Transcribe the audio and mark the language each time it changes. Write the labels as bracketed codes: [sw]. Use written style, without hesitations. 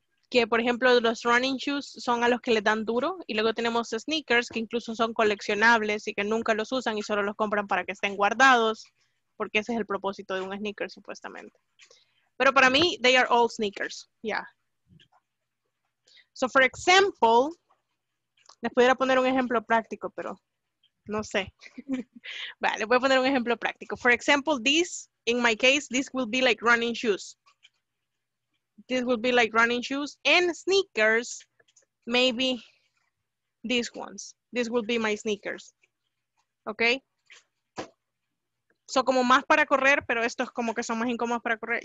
[es] Que, por ejemplo, los running shoes son a los que le dan duro. Y luego tenemos sneakers, que incluso son coleccionables y que nunca los usan y solo los compran para que estén guardados. Porque ese es el propósito de un sneaker, supuestamente. Pero para mí, [en] they are all sneakers. Yeah. So, for example, [es] les pudiera poner un ejemplo práctico, pero no sé. Vale, les voy a poner un ejemplo práctico. [en] For example, this, in my case, this will be like running shoes. This will be like running shoes and sneakers, maybe these ones. This will be my sneakers. Okay? [es] So, como más para correr, pero estos como que son más incómodos para correr.